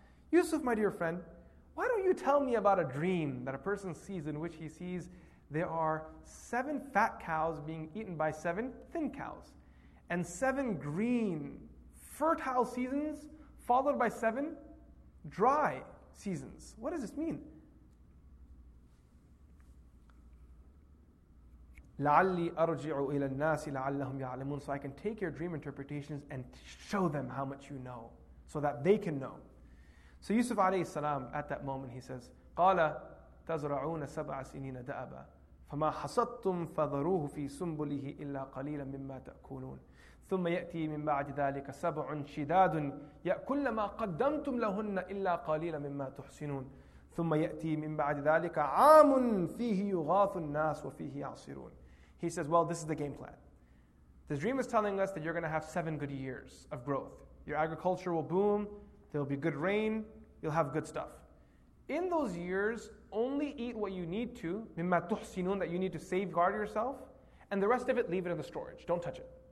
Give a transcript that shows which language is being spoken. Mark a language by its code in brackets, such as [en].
[en] Yusuf, my dear friend, why don't you tell me about a dream that a person sees in which he sees there are seven fat cows being eaten by seven thin cows, and seven green, fertile seasons followed by seven dry seasons. What does this mean? [ar] لعلي أرجع إلى الناس لعلهم يعلمون. [en] So I can take your dream interpretations and show them how much you know, so that they can know. So Yusuf عليه السلام at that moment he says, [ar] قال تزرعون سبع سنين دأبا فما حصدتم فذروه في سنبله إلا قليلا مما تأكلون ثم يأتي من بعد ذلك سبع شداد يأكل ما قدمتم لهن إلا قليلا مما تحسنون ثم يأتي من بعد ذلك عام فيه يغاث الناس وفيه يعصرون. [en] He says, well, this is the game plan. The dream is telling us that you're going to have 7 good years of growth. Your agriculture will boom, there'll be good rain, you'll have good stuff. In those years, only eat what you need to, [ar] مما تحسنون, [en] that you need to safeguard yourself, and the rest of it, leave it in the storage. Don't touch it.